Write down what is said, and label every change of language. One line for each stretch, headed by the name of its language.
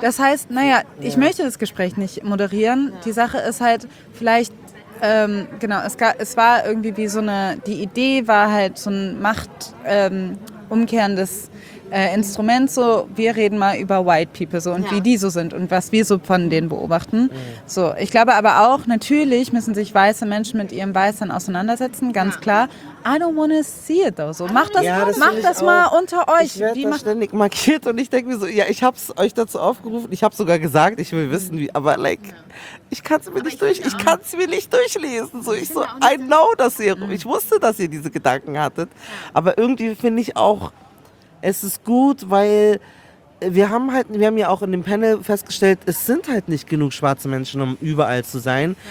German: Das heißt, naja, ich möchte das Gespräch nicht moderieren. Ja. Die Sache ist halt vielleicht, es war irgendwie wie so eine, die Idee war halt so ein machtumkehrendes Instrument, so, wir reden mal über White People so und wie die so sind und was wir so von denen beobachten. So, ich glaube aber auch, natürlich müssen sich weiße Menschen mit ihrem Weißsein auseinandersetzen, ganz klar.
English: I don't wanna see it though. So,
German: mach das mal unter euch. Ich werde ständig markiert und ich denke mir so, ja, ich habe es euch dazu aufgerufen, ich habe sogar gesagt, ich will wissen, wie, aber like, ich kann es mir, nicht durchlesen. So, ich so,
English: I know,
German: dass ihr, ich wusste, dass ihr diese Gedanken hattet, aber irgendwie finde ich auch, es ist gut, weil wir haben ja auch in dem Panel festgestellt, es sind halt nicht genug schwarze Menschen, um überall zu sein.